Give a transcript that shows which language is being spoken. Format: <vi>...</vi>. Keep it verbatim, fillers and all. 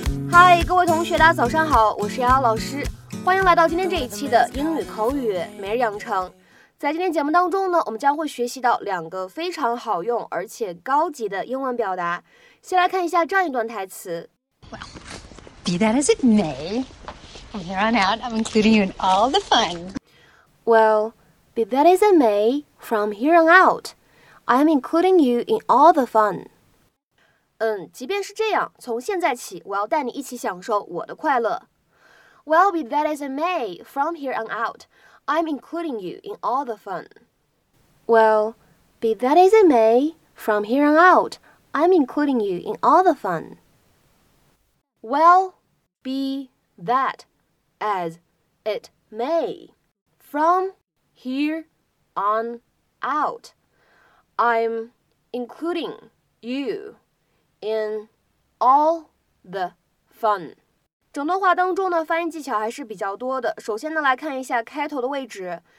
<zh>嗨，各位同学，大家早上好，我是瑶瑶老师，欢迎来到今天这一期的英语口语每日养成。在今天节目当中呢，我们将会学习到两个非常好用而且高级的英文表达。先来看一下这样一段台词。</zh> <en>Well, be that as it may, from here on out, I'm including you in all the fun. Well, be that as it may, from here on out, I'm including you in all the fun.</en> <zh>嗯，即便是这样，从现在起，我要带你一起享受我的快乐。</zh> <en>Well, be that as it may, from here on out, I'm including you in all the fun. Well, be that as it may, from here on out, I'm including you in all the fun. Well, be that as it may, from here on out, I'm including you. In all the fun.</en> <zh>整段话当中呢，发音技巧还是比较多的。首先呢，来看一下开头的位置。</zh>